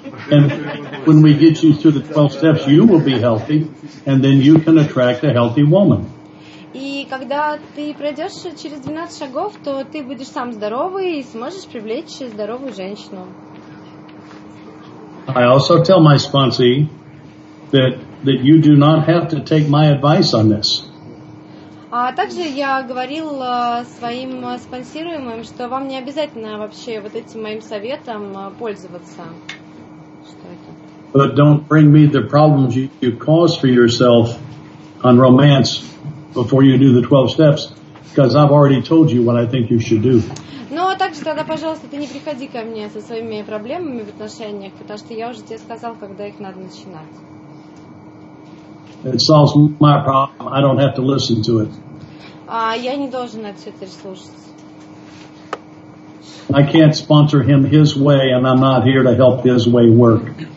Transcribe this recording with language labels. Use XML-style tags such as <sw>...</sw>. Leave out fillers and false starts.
<en>And when we get you through the 12 steps, you will be healthy, and then you can attract a healthy woman.</en> <ru>И когда ты пройдешь через 12 шагов, то ты будешь сам здоровый и сможешь привлечь здоровую женщину.</ru> <en>I also tell my sponsee that you do not have to take my advice on this.</en> <ru>А также я говорил своим спонсируемым, что вам не обязательно вообще вот этим моим советом пользоваться. Что это?</ru> <en>but don't bring me the problems you caused for yourself on romance before you do the 12 steps, because I've already told you what I think you should do.</en> <ru>Ну, а также тогда, пожалуйста, ты не приходи ко мне со своими проблемами в отношениях, потому что я уже тебе сказал, когда их надо начинать.</ru> <en>It solves my problem. I don't have to listen to it.</en> <ru>А я не должен это все теперь слушать.</ru> <en>I can't sponsor him his way, and I'm not here to help his way work.</en>